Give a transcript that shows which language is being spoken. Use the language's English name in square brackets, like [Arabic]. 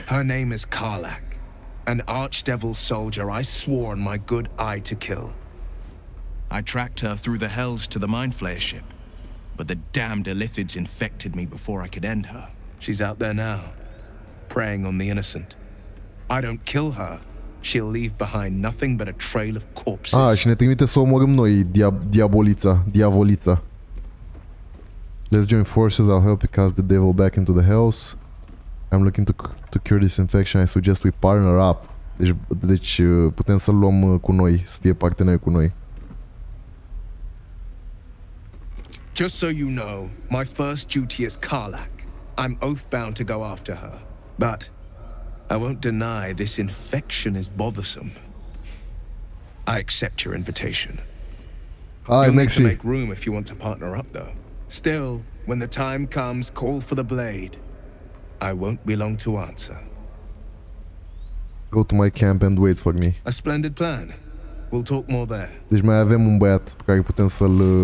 [English] Her name is Karlach. An archdevil soldier I swore on my good eye to kill. I tracked her through the hells to the Mindflayer ship, but the damned Illithids infected me before I could end her. She's out there now, preying on the innocent. I don't kill her, she'll leave behind nothing but a trail of corpses. [Romanian] Ah, și ne trimite să omorâm noi, diavolița. [English] Let's join forces, I'll help you cast the devil back into the hells. I'm looking to cure this infection, I suggest we partner up. [Romanian] Deci putem să-l luăm cu noi, să fie parteneri cu noi. [English] Just so you know, my first duty is Karlach. I'm oath-bound to go after her. But I won't deny this infection is bothersome. I accept your invitation. Hi, Nexi. You'll need to make room if you want to partner up, though. Still, when the time comes, call for the blade. I won't be long to answer. Go to my camp and wait for me. A splendid plan. We'll talk more there. [Romanian] Deci mai avem un băiat pe care putem să-l...